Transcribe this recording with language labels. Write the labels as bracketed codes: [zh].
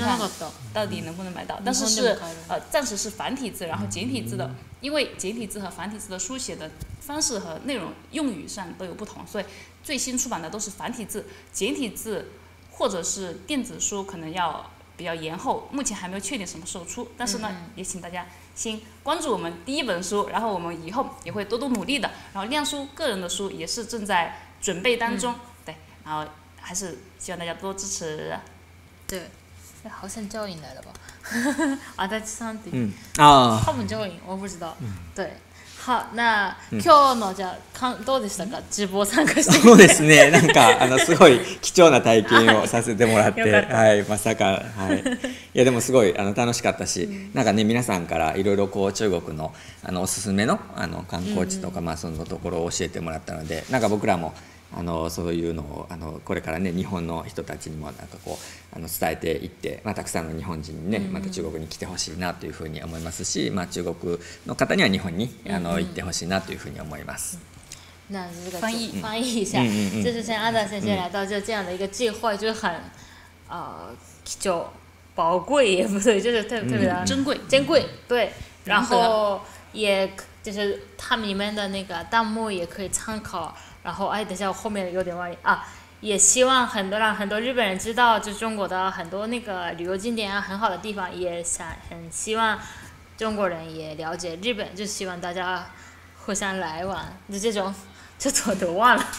[zh] 看到底能不能买到，但是是暂时是繁体字然后简体字的，因为简体字和繁体字的书写的方式和内容用语上都有不同，所以最新出版的都是繁体字，简体字或者是电子书可能要比较延后，目前还没有确定什么时候出，但是呢也请大家先关注我们第一本书，然后我们以后也会多多努力的，然后亮叔个人的书也是正在准备当中，对，然后还是希望大家多支持。对，好像教引来了吧？阿达基桑迪，啊，他们教引，我不知道。对， [ja] 好，那今日のじゃあどうでしたか？直播参加して。そうですね。なんかすごい貴重な体験をさせてもらって、はい、まさか、はい。いやでもすごい楽しかったし、なんかね皆さんからいろいろこう中国のおすすめの観光地とかまあそのところを教えてもらったので、なんか僕らもそういうのをこれからね日本の人たちにもなんかこう伝えていって、まあ、たくさんの日本人にねまた中国に来てほしいなというふうに思いますし、まあ、中国の方には日本に行ってほしいなというふうに思います。 [zh] 那这个翻译一下，就是像安达先生来到就这样的一个机会，就很貴重宝贵也不对，就是特别的珍贵珍贵，对，然后也就是他们里面的那个弹幕也可以参考，然后哎，等下我后面有点忘记啊，也希望很多日本人知道，就中国的很多那个旅游景点啊，很好的地方，也想很希望中国人也了解日本，就希望大家互相来往，就这种，就怎么都忘了，